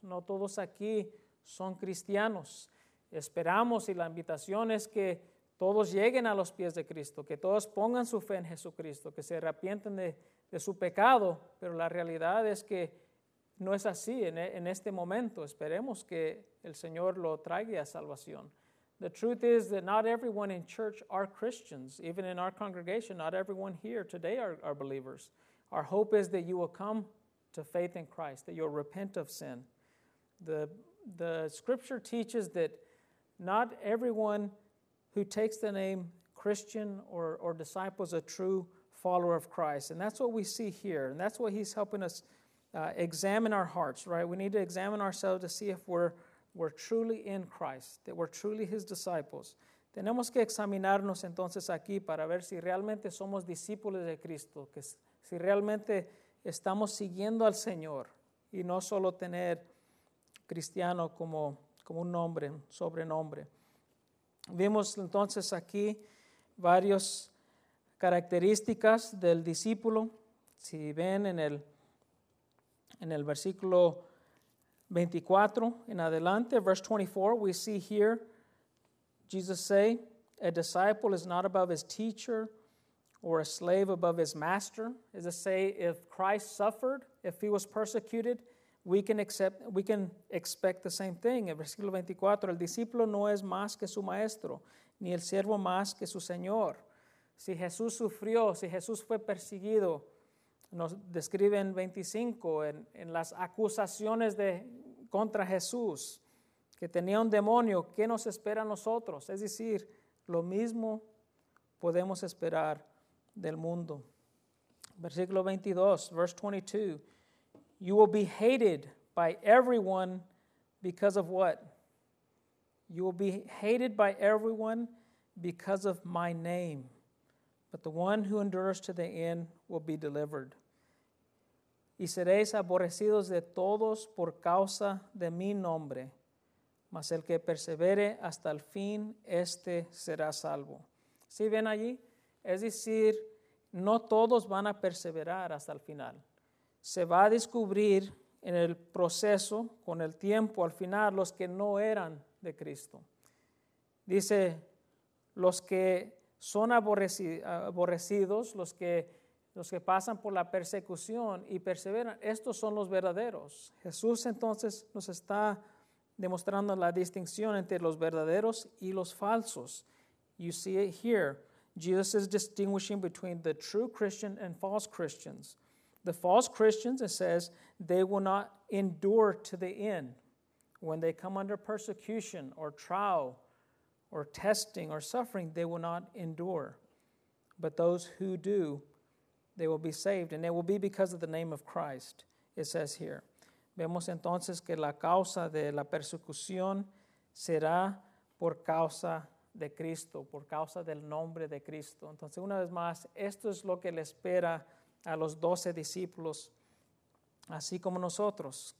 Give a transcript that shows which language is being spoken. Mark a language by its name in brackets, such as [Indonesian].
[Spanish] No todos aquí son cristianos. Esperamos y la invitación es que todos lleguen a los pies de Cristo, que todos pongan su fe en Jesucristo, que se arrepienten de su pecado, pero la realidad es que no es así en este momento. Esperemos que el Señor lo traiga a salvación. [English] The truth is that not everyone in church are Christians. Even in our congregation, not everyone here today are believers. Our hope is that you will come to faith in Christ, that you'll repent of sin. The scripture teaches that not everyone who takes the name Christian or disciple is a true follower of Christ. And that's what we see here. And that's what He's helping us examine our hearts, right? We need to examine ourselves to see if we're truly in Christ, that we're truly His disciples. [Spanish] Tenemos que examinarnos entonces aquí para ver si realmente somos discípulos de Cristo, que si realmente estamos siguiendo al Señor y no solo tener cristiano como un nombre, un sobrenombre. Vimos entonces aquí varias características del discípulo. Si ven en el versículo 24 en adelante, [English] verse 24, we see here Jesus say, a disciple is not above his teacher or a slave above his master. Is to say, if Christ suffered, if he was persecuted, we can expect the same thing. [Spanish] En versículo 24, el discípulo no es más que su maestro, ni el siervo más que su señor. Si Jesús sufrió, si Jesús fue perseguido, nos describe en 25, en las acusaciones contra Jesús, que tenía un demonio, ¿qué nos espera a nosotros? Es decir, lo mismo podemos esperar del mundo. [English] Versículo 22, verse 22, you will be hated by everyone because of what? You will be hated by everyone because of my name, but the one who endures to the end will be delivered. [Spanish] Y seréis aborrecidos de todos por causa de mi nombre. Mas el que persevere hasta el fin, este será salvo. ¿Sí ven allí? Es decir, no todos van a perseverar hasta el final. Se va a descubrir en el proceso, con el tiempo, al final, los que no eran de Cristo. Dice, los que son aborrecidos, los que pasan por la persecución y perseveran, estos son los verdaderos. Jesús entonces nos está demostrando la distinción entre los verdaderos y los falsos. [English] You see it here. Jesus is distinguishing between the true Christian and false Christians. The false Christians, it says, they will not endure to the end. When they come under persecution or trial or testing or suffering, they will not endure. But those who do, they will be saved, and it will be because of the name of Christ, it says here. [Spanish] Vemos entonces que la causa de la persecución será por causa de Cristo, por causa del nombre de Cristo. Entonces, una vez más, esto es lo que le espera a los 12 discípulos, así como nosotros.